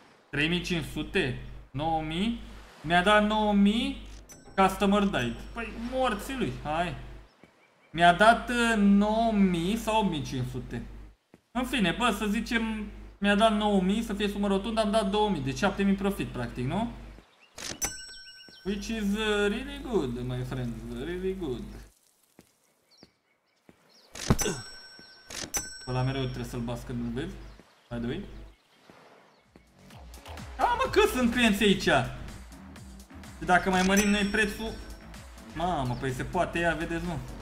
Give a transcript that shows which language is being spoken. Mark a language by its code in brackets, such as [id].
[ro] 3500? 9000? Mi-a dat 9000 [en] customer died. [ro] Păi morții lui, hai. Mi-a dat 9000 sau 8500? În fine, bă, să zicem, Mi-a dat 9000, să fie sumă rotundă, am dat 2000, deci 7000 profit, practic, nu? [en] Which is really good, my friend, really good. [ro] Ăla mereu trebuie să-l bască, nu-l vezi? [en] By the way. [ro] A, mă, cât sunt clienți aici? Și dacă mai mărim noi prețul... Mamă, păi se poate ia, vedeți, nu?